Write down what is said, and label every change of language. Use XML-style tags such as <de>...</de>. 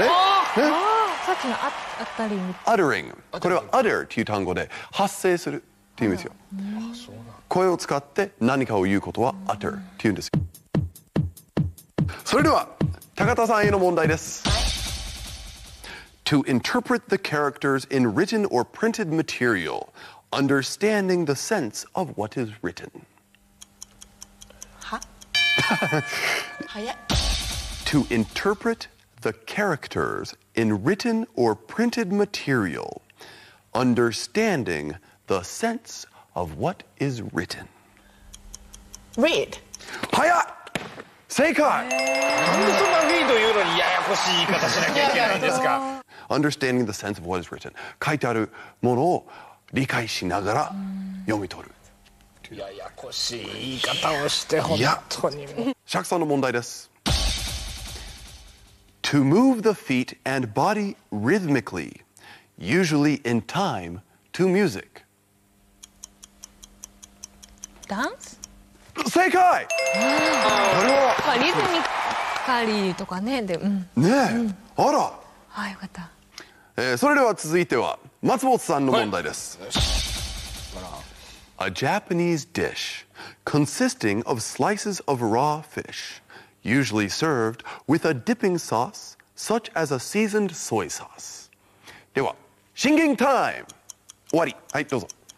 <ja>ね。さっきの uttering。</ja> <en>Uttering。</en> <ja>これは utter という単語で発声するっていう意味ですよ。声を使って何かを言うことは utter って言うんですよ。それでは高田さんへの問題です。</ja> <en>To interpret the characters in written or printed material, understanding the sense of what is written.</en> <ja>は？早い。</ja> <en>To interpret the characters in written or printed material, understanding the senseof what is written. Read.</en> <ja>早っ。正解。なんでそんな read というのにややこしい言い方しなきゃいけないんですか。</ja> <en>Understanding the sense of what is written.</en> <ja>書いてあるものを理解しながら読み取る。ややこしい言い方をして本当にも。釈さんの問題です。 To move the feet and body rhythmically, usually in time to music. ダンス？正解！これは、まあ、リズミカリーとかね、で、うん、ねえ、うん、あら、はい、よかった、それでは続いては松本さんの問題です、はい、</ja> <en>A Japanese dish consisting of slices of raw fish usually served with a dipping sauce such as a seasoned soy sauce</en> <ja>では、シンキングタイム終わり、はい、どうぞ</ja>